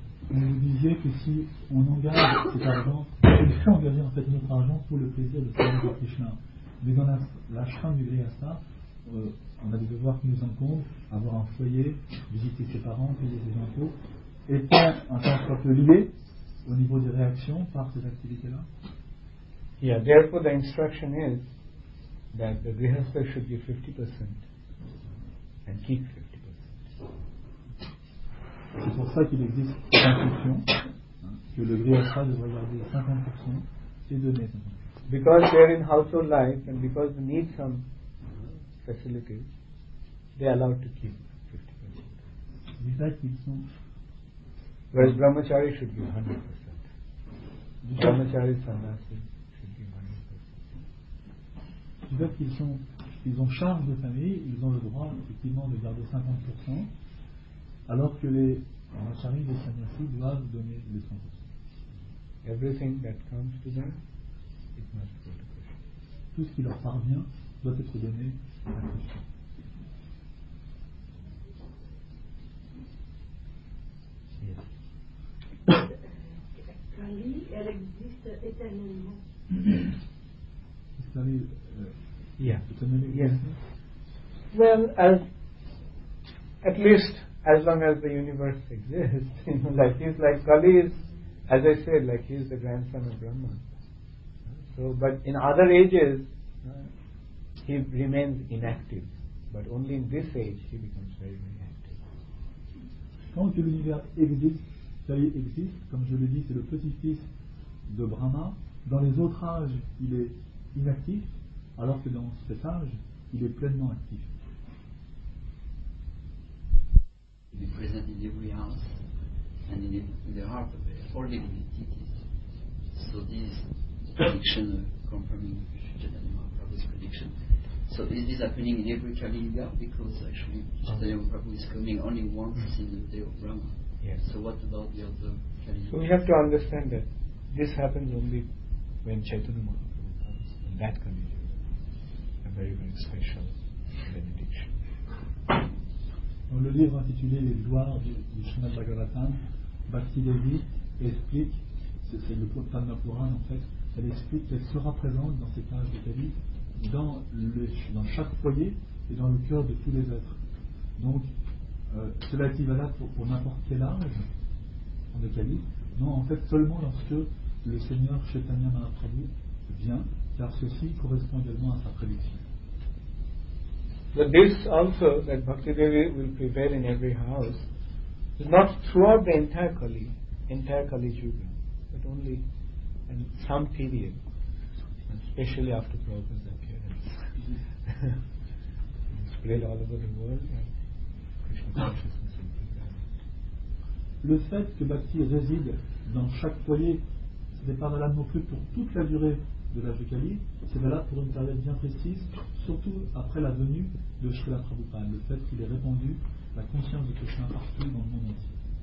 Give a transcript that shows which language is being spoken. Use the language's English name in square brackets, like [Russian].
[French] Mais vous disiez que si on engage cet argent, on fait engager en fait notre argent pour le plaisir de servir Krishna. Mais dans l'ashram du Grihastha, on a des devoirs qui nous incombent, avoir un foyer, visiter ses parents, payer ses impôts, et pas en tant que lié au niveau des réactions par ces activités-là. [English] Yeah, therefore the instruction is that the Grihastha should give 50% and keep 50%. [French] C'est pour ça qu'il existe une instruction que le Grihastha devrait garder 50% et donner 50%. [English] Because they are in household life and because they need some facilities, they are allowed to keep 50%. Whereas Brahmachari should give 100%. Brahmachari Sannyasi should give 100%. [French] Du fait qu'ils ont charge de famille, ils ont le droit effectivement de garder 50%, alors que les Brahmachari et les Sannyasi doivent donner les 100%. [English] Everything that comes to them, it must go to Krishna. [French] Tout ce qui leur parvient doit être donné à Krishna. Kali, elle existe éternellement. Kali, éternellement. [English] Yes. Well, as at least as long as the universe exists, you know, like he's like Kali is, as I said, like he's the grandson of Brahma. So, but in other ages, he remains inactive. But only in this age, he becomes very, very active. [French] Quand que l'univers existe, Kali existe. Comme je le dis, c'est le petit-fils de Brahma. Dans les autres âges, il est inactif, alors que dans cet âge, il est pleinement actif. [English] Be present in every house and in the heart of all living entities. So this prediction confirming Chaitanya Mahaprabhu's prediction. So is this happening in every Kali Yuga? Because actually Chaitanya Mahaprabhu is coming only once in the day of Brahma. Yes. So what about the other Kali Yuga? So we have to understand that this happens only when Chaitanya Mahaprabhu comes in that Kali Yuga. A very, very special benediction. [French] Dans le livre intitulé Les gloires du Srimad Bhagavatam, Bhaktivedanta explique, c'est le Padma Purana en fait, elle explique qu'elle sera présente dans cet âge de Kali, dans chaque foyer et dans le cœur de tous les êtres. Donc, cela est valable pour n'importe quel âge de Kali, non, en fait, seulement lorsque le Seigneur Chaitanya Mahaprabhu vient, car ceci correspond également à sa prédiction. [English] But this also, that Bhakti Devi will prevail in every house, is not throughout the entire Kali Yuga, but only in some period, especially after Prabhupada's appearance. It's spread all over the world, and Krishna consciousness will be there. [French] Le fait que Bhakti réside dans chaque foyer, ce n'est pas valable non plus pour toute la durée de l'âge de Kali, c'est valable pour une période bien précise, surtout après la venue de Srila Prabhupada, le fait qu'il ait répandu la conscience de Krishna partout dans le monde entier.